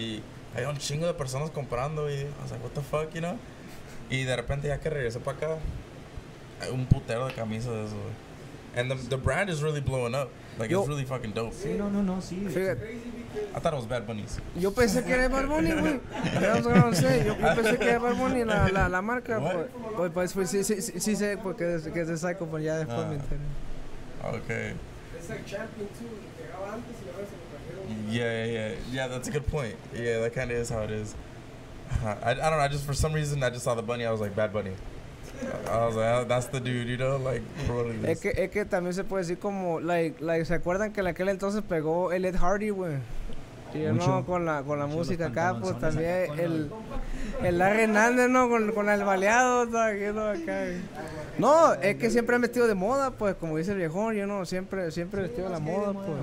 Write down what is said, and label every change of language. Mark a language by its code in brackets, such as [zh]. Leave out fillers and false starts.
[es] Y hay un chingo de personas comprando y [en] I was like, what the fuck, you know? [es] Y de repente ya que regresé para acá, hay un putero de camisas de eso. [en] And the brand is really blowing up. Like, yo, it's really fucking dope. [es] Sí, no, sí. [en] I thought it was Bad Bunnies. [es] Yo pensé que era Bad Bunny, güey. Yo pensé que era Bad Bunny, la marca. Pues, sí sé, porque que es de Psycho, pero ya después me enteré. [en] Okay. It's like Champion 2. [es] Llegaba antes y ahora se lo trajeron. [en] Yeah, that's a good point. Yeah, that kind of is how it is. I don't know, I just, for some reason, I just saw the bunny, I was like, Bad Bunny. I was like, that's the dude, you know, like, promoting this. [es] Es que también se puede decir como, like, ¿se acuerdan que en aquel entonces pegó el Ed Hardy, güey? Oh, ¿no? Con la música acá, pues también acá, el Larry Hernández, ¿no? Con el baleado, ¿no? Acá. No, es que siempre han vestido de moda, pues, como dice el viejón, yo no, siempre sí, vestido de la moda, pues.